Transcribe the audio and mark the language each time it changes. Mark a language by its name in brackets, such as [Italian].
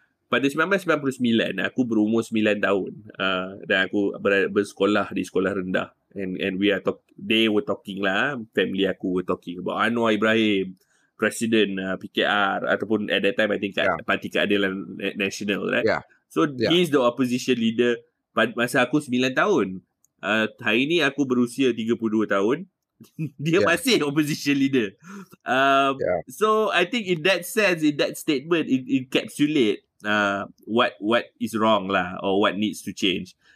[Malay] pada 1999 aku berumur 9 tahun dan aku bersekolah di sekolah rendah, [English] and we are talk, they were talking lah, family aku were talking about [Malay] Anwar Ibrahim, president PKR ataupun [English] at that time I think [Malay] Parti Keadilan Nasional, right? [English] Yeah. So he's the opposition leader [Malay] masa aku 9 tahun. Hari ni aku berusia 32 tahun. Dia masih opposition leader. [English] So I think in that sense, in that statement, it encapsulate what is wrong lah, or what needs to change.